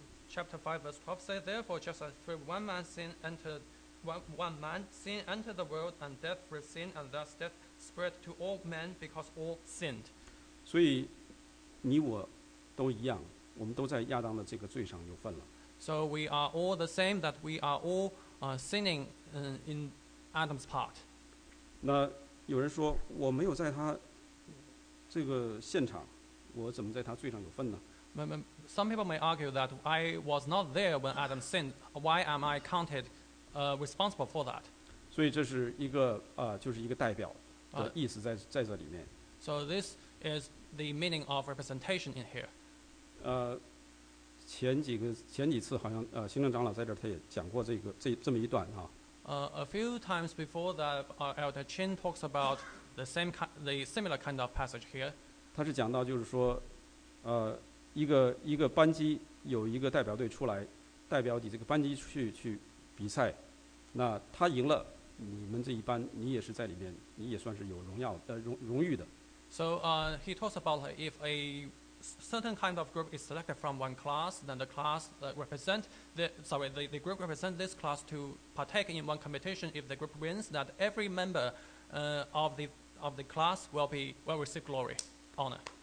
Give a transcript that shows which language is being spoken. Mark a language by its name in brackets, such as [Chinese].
[English] Chapter 5 verse 12 says, therefore, just as through one man sin entered, one man sin entered the world, and death through sin, and thus death spread to all men because all sinned. [Chinese] 所以你我都一样, 我们都在亚当的这个罪上有份了。 [English] So we are all the same, that we are all sinning in Adam's part. [Chinese] 那有人说, 我没有在他这个现场, 我怎么在他罪上有份呢？ [English] Some people may argue that I was not there when Adam sinned. Why am I counted responsible for that? [Chinese] 所以这是一个, 就是一个代表的意思在这里面。 [English] So this is the meaning of representation in here. [Chinese] 前几次好像, 行政长老在这他也讲过这么一段啊。 [English] A few times before that, Elder Chin talks about the same the similar kind of passage here. [Chinese] 他是讲到就是说, 一个班级有一个代表队出来, 代表你这个班级去比赛, 那他赢了, 你们这一班, 你也是在里面, 你也算是有荣耀, 荣誉的。 [English] So he talks about if a certain kind of group is selected from one class, then the class represent the, sorry, the group represent this class to partake in one competition. If the group wins, that every member of the class will receive glory, honor.